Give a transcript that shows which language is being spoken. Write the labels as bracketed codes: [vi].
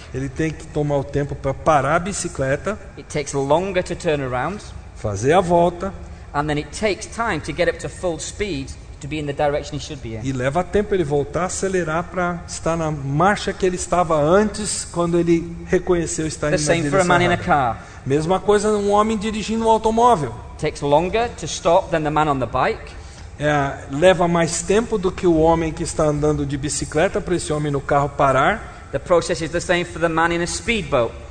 [pt] Ele tem que tomar o tempo para parar a bicicleta. [en] It takes longer to turn around. [pt] Fazer a volta. [en] And then it takes time to get up to full speed to be in the direction he should be in. [pt] E leva tempo ele voltar a acelerar para estar na marcha que ele estava antes quando ele reconheceu estar indo na direção errada. [en] The same for a man in a car. [pt] Mesma coisa um homem dirigindo um automóvel. [en] It takes longer to stop than the man on the bike. [pt] Leva mais tempo do que o homem que está andando de bicicleta para esse homem no carro parar. [en] The process is the same for the man in a speedboat.